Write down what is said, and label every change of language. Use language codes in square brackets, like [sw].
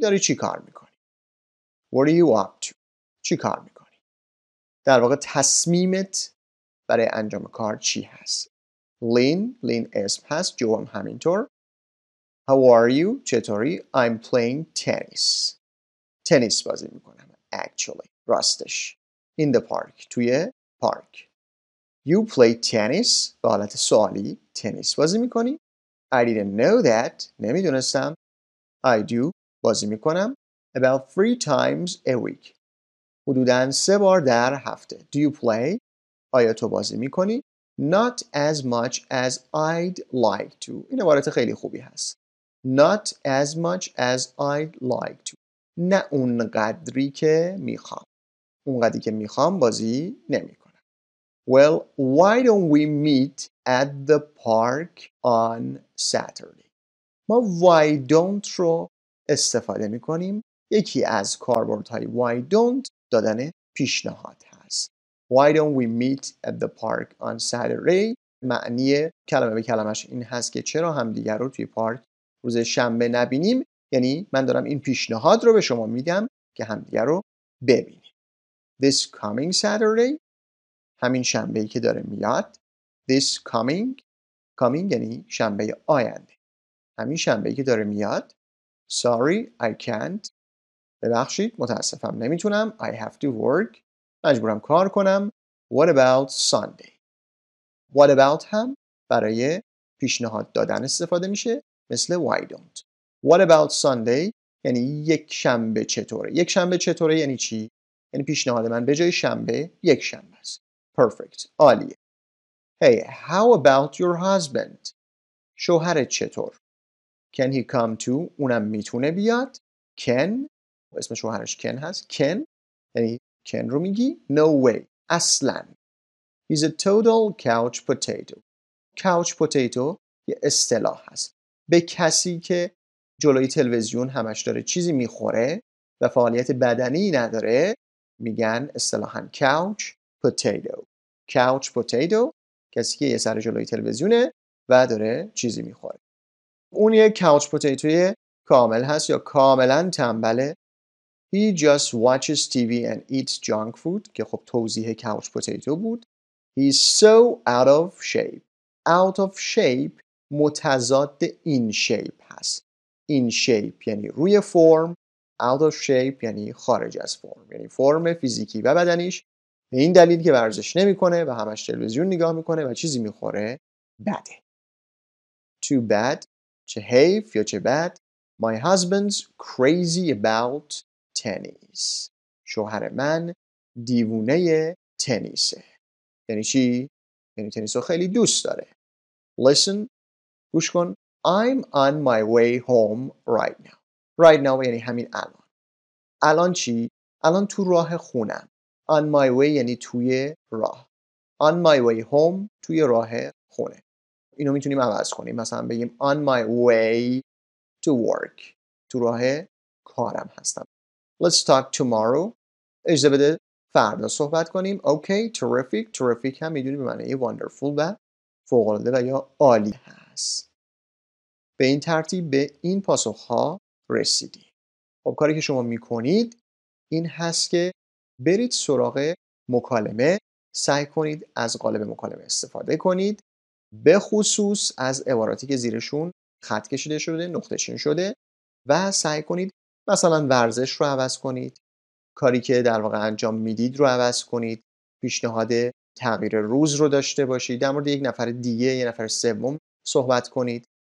[fa] داری چی کار میکنی؟ [en] What are you up to? [fa] چی کار میکنی؟ در واقع تصمیمت برای انجام کار چی هست؟ Lynn اسم هست. Joe هم همینطور. [en] How are you? [fa] چطوری؟ [en] I'm playing tennis. [fa] تنیس بازی میکنم. Actually. راستش. [en] In the park. [fa] توی park. [en] You play tennis؟ [fa] به حالت سوالی تنیس بازی میکنی؟ [en] I didn't know that. [fa] نمیدونستم. [en] I do. [fa] بازی میکنم. [en] About 3 times a week. [fa] حدوداً 3 بار در هفته. [en] Do you play؟ [fa] آیا تو بازی میکنی؟ [en] Not as much as I'd like to. [fa] این عبارت خیلی خوبی هست. [en] Not as much as I'd like to. [fa] نه اونقدری که میخوام. اونقدری که میخوام بازی نمی کنم. [en] Well, why don't we meet at the park on Saturday? [fa] ما why don't رو استفاده می کنیم. یکی از کاربردهای why don't دادن پیشنهاد هست. [en] Why don't we meet at the park on Saturday? [fa] معنی کلمه به کلمش این هست که چرا همدیگر رو توی پارک روز شنبه نبینیم؟ یعنی من دارم این پیشنهاد رو به شما میدم که همدیگر رو ببینیم. [en] This coming Saturday, [fa] همین شنبهی که داره میاد. This coming, coming یعنی شنبه آینده. همین شنبهی که داره میاد. [en] Sorry, I can't. [fa] ببخشید، متاسفم نمیتونم. [en] I have to work. [fa] مجبورم کار کنم. [en] What about Sunday? [fa] What about هم برای پیشنهاد دادن استفاده میشه مثل why don't. [en] What about Sunday؟ [fa] یعنی یک شنبه چطوره؟ یک شنبه چطوره یعنی چی؟ یعنی پیشنهاد من به جای شنبه یک شنبه است. [en] Perfect. [fa] عالیه. [en] Hey, how about your husband؟ [fa] شوهرت چطور؟ [en] Can he come too؟ [fa] اونم میتونه بیاد. Can؟ اسم شوهرش Ken هست. Can؟ یعنی Ken رو میگی؟ [en] No way. [fa] اصلاً. [en] He's a total couch potato. [fa] Couch potato یه اصطلاح هست. به کسی که جلوی تلویزیون همش داره چیزی میخوره و فعالیت بدنی نداره میگن اصطلاحاً couch potato. couch potato کسی که یه سر جلوی تلویزیونه و داره چیزی میخوره. اون یه couch potato کامل هست یا کاملاً تنبله. [en] He just watches TV and eats junk food [fa] که خب توضیح couch potato بود. [en] He's so out of shape. out of shape متضاد in shape هست. [fa] In shape یعنی روی فرم، out of shape یعنی خارج از فرم، یعنی فرم فیزیکی و بدنیش به این دلیل که ورزش نمی کنه و همش تلویزیون نگاه می کنه و چیزی می خوره بده. [en] Too bad، [fa] چه حیف یا چه بد. [en] My husband's crazy about tennis. [fa] شوهر من دیوونه تنیسه. یعنی چی؟ یعنی تنیس رو خیلی دوست داره. [en] Listen، [fa] گوش کن. [en] I'm on my way home right now. [fa] Right now یعنی همین الان. الان چی؟ الان تو راه خونم. On my way یعنی توی راه. [en] On my way home [fa] توی راه خونه. اینو میتونیم عوض کنیم. مثلا بگیم [en] On my way to work. [fa] تو راه کارم هستم. [en] Let's talk tomorrow. [fa] اجازه بده فردا صحبت کنیم. [en] Okay, terrific. [fa] Terrific هم میدونی به معنی wonderful و فوق‌العاده و یا عالی هست. به این ترتیب به این پاسخ‌ها رسیدیم. خب کاری که شما می‌کنید این هست که برید سراغ مکالمه، سعی کنید از قالب مکالمه استفاده کنید، به خصوص از عباراتی که زیرشون خط کشیده شده، نقطه چین شده و سعی کنید مثلا ورزش رو عوض کنید، کاری که در واقع انجام میدید رو عوض کنید، پیشنهاد تغییر روز رو داشته باشید، در مورد یک نفر دیگه، یک نفر سوم صحبت کنید.